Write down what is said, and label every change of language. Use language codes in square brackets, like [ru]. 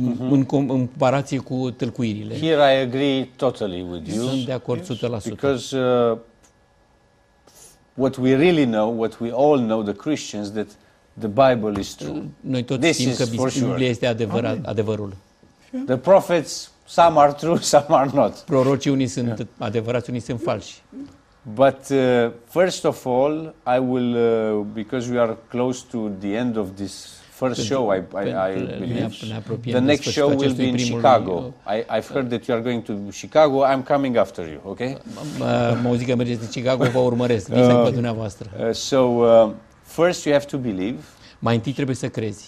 [ro] În comparație cu tălcuirile. [en] Here I agree totally with you. [ro] Sunt de acord 100%. [en] Because what we really know, what we all know, the Christians, that the Bible is true. [ro] Noi toți [en] this [ro] știm că Biblia este adevărat, adevărul. [en] The prophets, some are true, some are not. [ro] Prorocii unii sunt adevărați, unii sunt falși. [en] But first of all, I will because we are close to the end of this first show, I believe. The next show will be in Chicago. I've heard that you are going to Chicago. I'm coming after you, okay? [ro] Mă zic că mergeți în Chicago, vă urmăresc, vizită dumneavoastră. [en] First you have to believe. [ro] Mai întâi trebuie să crezi.